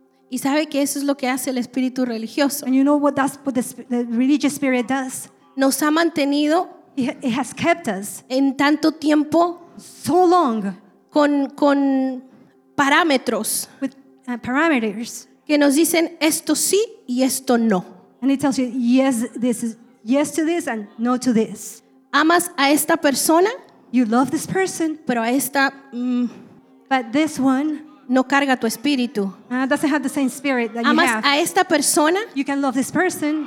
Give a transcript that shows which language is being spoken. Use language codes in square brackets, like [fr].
[es] Y sabe que eso es lo que hace el espíritu religioso. [en] And you know what that's what the religious spirit does? [es] Nos ha mantenido. [en] It has kept us. [es] En tanto tiempo. [en] So long. [es] Con parámetros. [en] With parameters [es] que nos dicen esto sí y esto no. [en] And it tells you yes, this is yes to this and no to this. [es] Amas a esta persona, [en] you love this person, [es] pero a esta [en] but this one [es] no carga tu espíritu. [en] Doesn't have the same spirit that [es] amas [en] you have. [es] A esta persona, [en] you can love this person,